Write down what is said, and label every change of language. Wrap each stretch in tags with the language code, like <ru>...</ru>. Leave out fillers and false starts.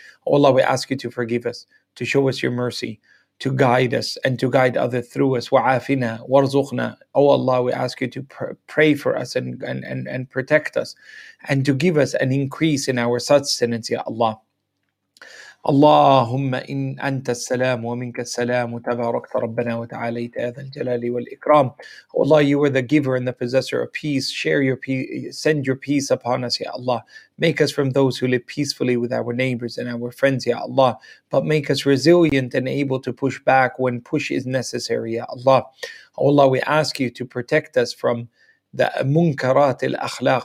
<en>O Allah, we ask you to forgive us, to show us your mercy, to guide us and to guide others through us.</en> <ar>Wa'afina warzuqna.</ar> <en>O Allah, we ask you to pray for us and protect us and to give us an increase in our sustenance, Ya Allah.</en> <ar>اللهم إن أنت السلام ومنك السلام وتباركت ربنا وتعاليت هذا الجلال والإكرام.</ar> <en>Allah, you are the giver and the possessor of peace. Share your peace, send your peace upon us, Ya Allah. Make us from those who live peacefully with our neighbors and our friends, Ya Allah. But make us resilient and able to push back when push is necessary, Ya Allah. Allah, we ask you to protect us from the munkarat al-akhlaq.</en>